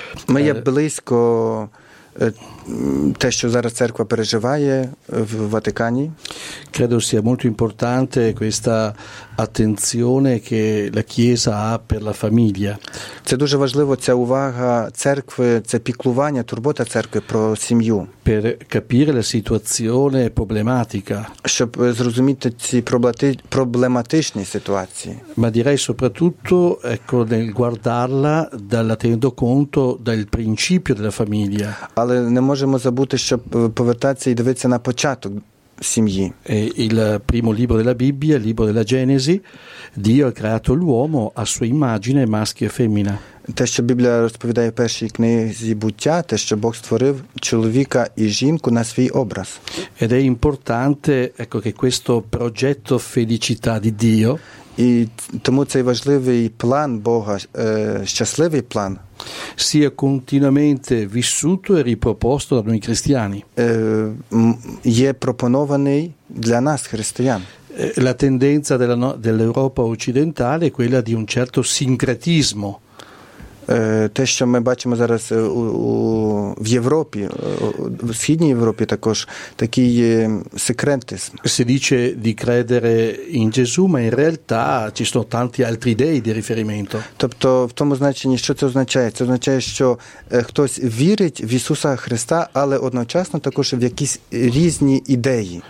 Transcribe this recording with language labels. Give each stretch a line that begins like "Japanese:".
Italian: Ma io
Ukrainian: близько те, що зараз церква переживає в Ватикані.
Italian: Credo sia molto importante questa attenzione che la Chiesa ha per la famiglia.
Ukrainian: Це дуже важливо, ця увага церкви, це піклування, турбота церкви про сім'ю.
Italian: Per capire la situazione problematica.
Ukrainian: Щоб зрозуміти ці проблематичні ситуації.
Italian: Ma direi soprattutto, ecco, nel guardarla dalla tenendo conto del principio della famiglia.
Ukrainian: Але не можемо забути, щоб повертатися і дивитися на початок сім'ї.
Italian: Il primo libro della Bibbia, il libro della Genesi, Dio ha creato l'uomo a sua immagine, maschio e femmina.
Ukrainian: Те, що Біблія розповідає в першій книзі буття, те, що Бог створив чоловіка і жінку на свій образ.
Italian: Ed è importante, ecco, che questo progetto felicità di Dio.
Ukrainian: І тому цей важливий план Бога, щасливий план,
Italian: sia continuamente vissuto e riproposto da noi cristiani.
Ukrainian: Є пропонований для нас, християн.
Italian: La tendenza della, dell'Europa occidentale è quella di un certo sincretismo.
Ukrainian: Те, що ми бачимо зараз в Європі, в Східній Європі також, такий секретизм.
Italian: Si dice di credere in Gesù, ma in realtà ci sono tanti altri dei di riferimento.
Ukrainian: Тобто, в тому значенні, що це означає? Це означає, що хтось вірить в Ісуса Христа, але одночасно також в якісь різні ідеї.